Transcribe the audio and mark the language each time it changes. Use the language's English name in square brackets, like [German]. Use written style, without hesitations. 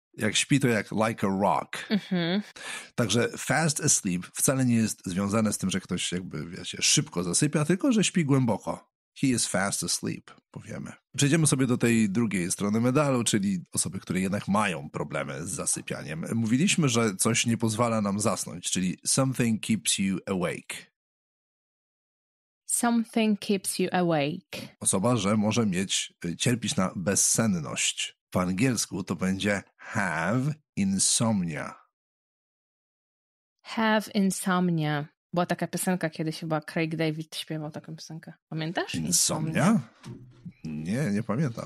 [Polish] Jak śpi, to jak [English] like a rock. [Polish] Także [English] fast asleep [Polish] wcale nie jest związane z tym, że ktoś jakby, wiecie, szybko zasypia, tylko że śpi głęboko. [English] He is fast asleep, [Polish] powiemy. Przejdziemy sobie do tej drugiej strony medalu, czyli osoby, które jednak mają problemy z zasypianiem. Mówiliśmy, że coś nie pozwala nam zasnąć, czyli [English] something keeps you awake. Something keeps you awake. [Polish] Osoba, że może mieć, cierpić na bezsenność. Po angielsku to będzie [English] have insomnia. Have insomnia. [Polish] Była taka piosenka kiedyś, chyba Craig David śpiewał taką piosenkę. Pamiętasz? Insomnia? Nie pamiętam.